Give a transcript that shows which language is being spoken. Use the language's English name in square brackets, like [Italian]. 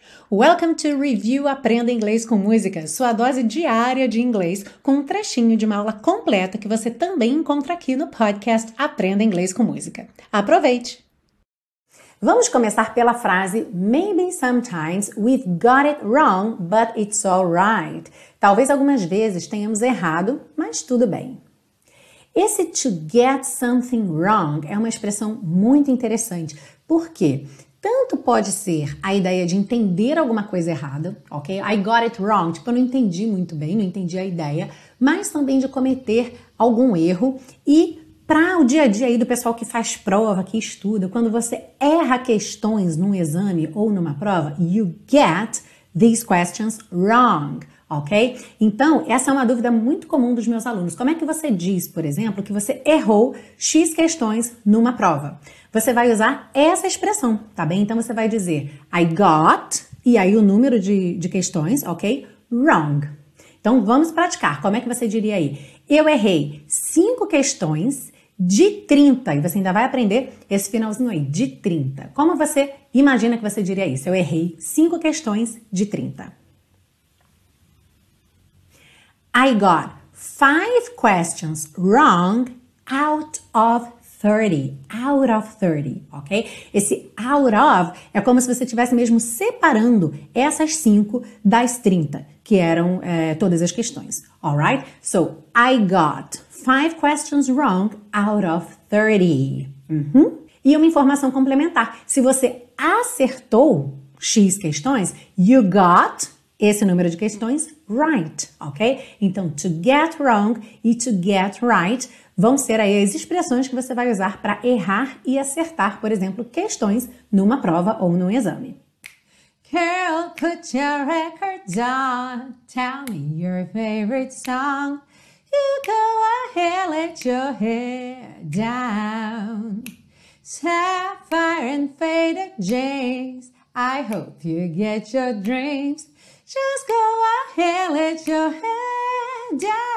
[English] Welcome to Review [Portuguese] Aprenda Inglês com Música, sua dose diária de inglês, com um trechinho de uma aula completa que você também encontra aqui no podcast Aprenda Inglês com Música. Aproveite! Vamos começar pela frase [English] Maybe sometimes we've got it wrong, but it's all right. [Portuguese] Talvez algumas vezes tenhamos errado, mas tudo bem. Esse [English] to get something wrong [Portuguese] é uma expressão muito interessante. Por quê? Tanto pode ser a ideia de entender alguma coisa errada, ok? [English] I got it wrong, [Portuguese] tipo, eu não entendi muito bem, não entendi a ideia, mas também de cometer algum erro. E para o dia a dia aí do pessoal que faz prova, que estuda, quando você erra questões num exame ou numa prova, [English] you get these questions wrong, [Portuguese] ok? Então, essa é uma dúvida muito comum dos meus alunos. Como é que você diz, por exemplo, que você errou X questões numa prova? Você vai usar essa expressão, tá bem? Então você vai dizer [English] I got, [Portuguese] e aí o número de questões, ok? [English] Wrong. [Portuguese] Então vamos praticar. Como é que você diria aí? Eu errei 5 questões de 30. E você ainda vai aprender esse finalzinho aí, de 30. Como você imagina que você diria isso? Eu errei 5 questões de 30. [English] I got 5 questions wrong out of 30, out of 30, ok? [Portuguese] Esse [English] out of [Portuguese] é como se você estivesse mesmo separando essas 5 das 30, que eram todas as questões, [English] alright? So, I got 5 questions wrong out of 30. [Portuguese] E uma informação complementar: se você acertou X questões, [English] you got [Portuguese] esse número de questões [English] right, [Portuguese] ok? Então, [English] to get wrong [Portuguese] e [English] to get right [Portuguese] vão ser aí as expressões que você vai usar para errar e acertar, por exemplo, questões numa prova ou num exame. [English] Carol, put your record on. Tell me your favorite song. You go ahead, let your hair down. Sapphire and faded jeans. I hope you get your dreams. Just go ahead, let your hair down.